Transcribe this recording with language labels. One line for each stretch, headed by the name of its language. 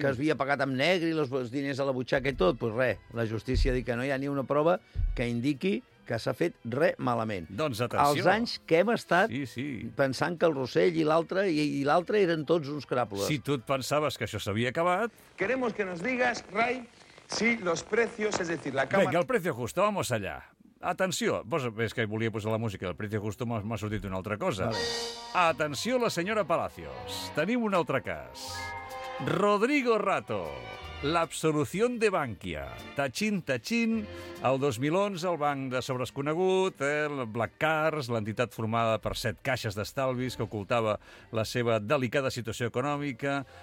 Catalan: Que es havia pagat amb negre i els diners a la butxaca i tot? Pues res, la justícia diu que no hi ha ni una prova que indiqui que s'ha fet res malament. Doncs atenció. Els anys que hem estat pensant que el Rosell i l'altre eren tots uns cràpoles. Si tu et pensaves que això s'havia acabat...
Spanish: Queremos que nos digas, Ray, si los precios, es decir, la cama... Venga, el precio justo, vamos allá.
Catalan: Atenció, és que volia posar la música del Precio Justo, m'ha sortit una altra cosa. Vale. Atenció, la senyora Palacios. Tenim un altre cas. Rodrigo Rato, l'absolución de Bankia. Tachín, tachín, el 2011, el banc de sobres conegut, Black Cars, l'entitat formada per 7 caixes d'estalvis que ocultava la seva delicada situació econòmica,